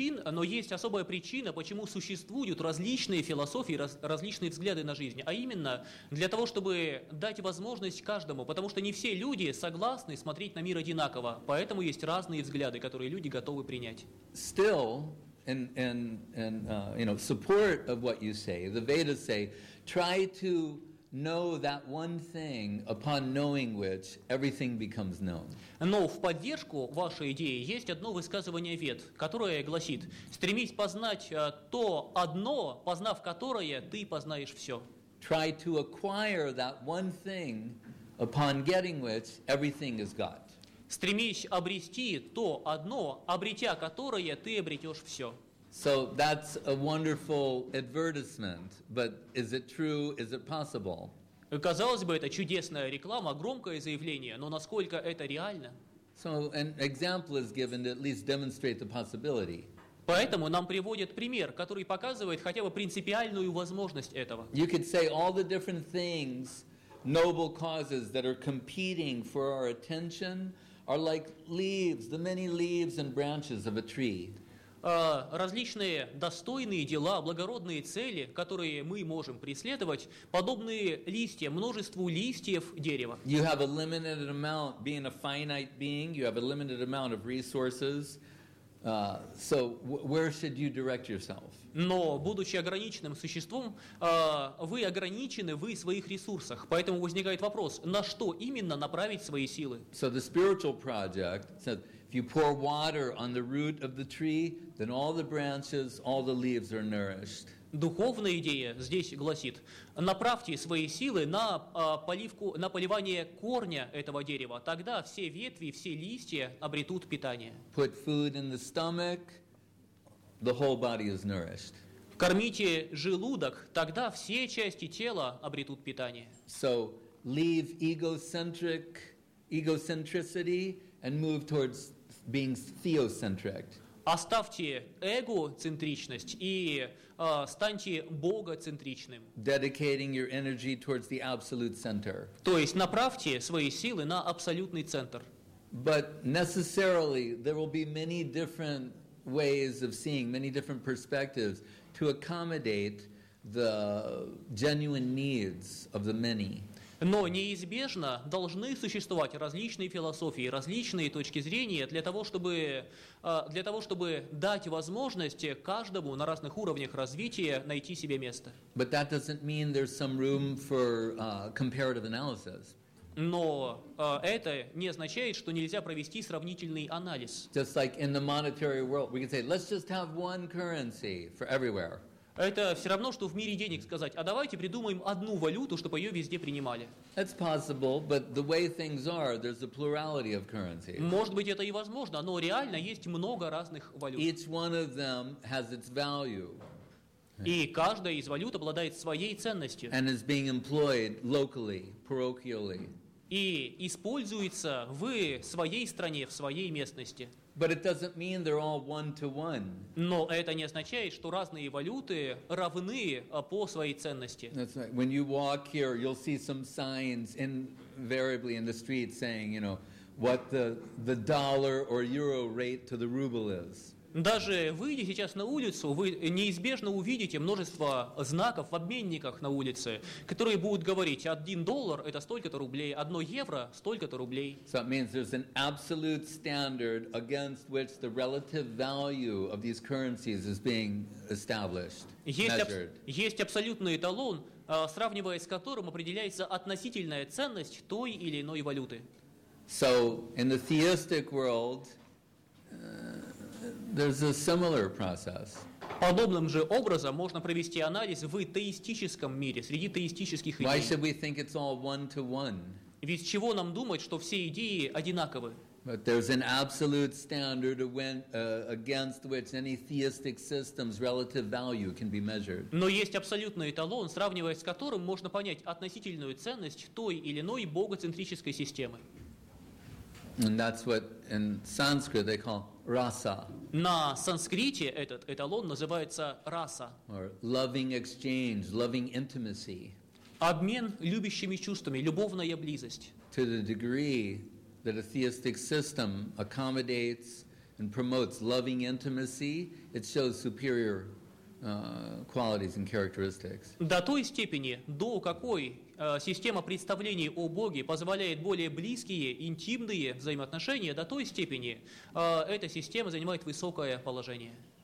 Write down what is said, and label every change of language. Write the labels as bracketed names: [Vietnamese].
[Russian] Но есть особая причина, почему существуют различные философии, различные взгляды на жизнь. А именно, для того, чтобы дать возможность каждому, потому что не все люди согласны смотреть на мир одинаково. Поэтому есть разные взгляды, которые люди готовы принять. [English] Still, in support of what you say, the Vedas say, try to know that one thing upon knowing which everything becomes known. [Russian] Но в поддержку вашей идеи есть одно высказывание Вед, которое гласит: стремись познать то одно, познав которое, ты познаешь все. [English] Try to acquire that one thing upon getting which everything is got. [Russian] Стремись обрести то одно, обретя которое, ты обретешь все. [English] So that's a wonderful advertisement, but is it true? Is it possible? [Russian] Казалось бы, это чудесная реклама, громкое заявление, но насколько это реально? [English] So an example is given to at least demonstrate the possibility. [Russian] Поэтому нам приводят пример, который показывает хотя бы принципиальную возможность этого. [English] You could say all the different things, noble causes that are competing for our attention are like leaves, the many leaves and branches of a tree. [Russian] Различные достойные дела, благородные цели, которые мы можем преследовать, подобные листьям, множеству листьев дерева. [English] You have a limited amount, being a finite being, you have a limited amount of resources. So where should you direct yourself? [Russian] Но, будучи ограниченным существом, вы ограничены в своих ресурсах. Поэтому возникает вопрос, на что именно направить свои силы? [English] So the spiritual project said, if you pour water on the root of the tree, then all the branches, all the leaves are nourished. [Russian] Духовная идея здесь гласит: направьте свои силы на поливку, на поливание корня этого дерева, тогда все ветви, все листья обретут питание. [English] Put food in the stomach, the whole body is nourished. [Russian] Кормите желудок, тогда все части тела обретут питание. [English] So leave egocentricity and move towards being theocentric. [Russian] Оставьте эгоцентричность и станьте богоцентричным. [English] Dedicating your energy towards the absolute center. [Russian] То есть направьте свои силы на абсолютный центр. [English] But necessarily there will be many different ways of seeing, many different perspectives to accommodate the genuine needs of the many. [Russian] Но неизбежно должны существовать различные философии, различные точки зрения для того, чтобы дать возможность каждому на разных уровнях развития найти себе место. [English] But that doesn't mean there's some room for comparative analysis. [Russian] Но это не означает, что нельзя провести сравнительный анализ. [English] Just like in the monetary world, we can say, let's just have one currency for everywhere. [Russian] Это все равно, что в мире денег сказать, а давайте придумаем одну валюту, чтобы ее везде принимали. [English] It's possible, but the way things are, there's a plurality of currencies. [Russian] Может быть, это и возможно, но реально есть много разных валют. [English] Each one of them has its value. [Russian] И каждая из валют обладает своей ценностью. [English] And is being employed locally, parochially. [Russian] И используется в своей стране, в своей местности. [English] But it doesn't mean they're all one-to-one. [Russian] Но это не означает, что разные валюты равны по своей ценности. [English] That's right. When you walk here, you'll see some signs invariably in the street saying, you know, what the dollar or euro rate to the ruble is. [Russian] Даже выйдя сейчас на улицу, вы неизбежно увидите множество знаков в обменниках на улице, которые будут говорить, $1 это столько-то рублей, 1 евро столько-то рублей. [English] So it means there's an absolute standard against which the relative value of these currencies is being established, measured. [Russian] Есть абсолютный эталон, сравнивая с которым определяется относительная ценность той или иной валюты. [English] So in the theistic world, there's a similar process. [Russian] Подобным же образом можно провести анализ в теистическом мире, среди теистических идей. [English] Why should we think it's all one-to-one? [Russian] Ведь чего нам думать, что все идеи одинаковы? [English] But there's an absolute standard against which any theistic system's relative value can be measured. [Russian] Но есть абсолютный эталон, сравнивая с которым можно понять относительную ценность той или иной богоцентрической системы. [English] And that's what in Sanskrit they call rasa. [Russian] На санскрите этот эталон называется раса. [English] Or loving exchange, loving intimacy. [Russian] Обмен любящими чувствами, любовная близость. [English] To the degree that a theistic system accommodates and promotes loving intimacy, it shows superior qualities and characteristics. [Russian] До той степени, до какой система представлений о Боге позволяет более близкие, интимные взаимоотношения, до той степени эта система занимает высокое положение.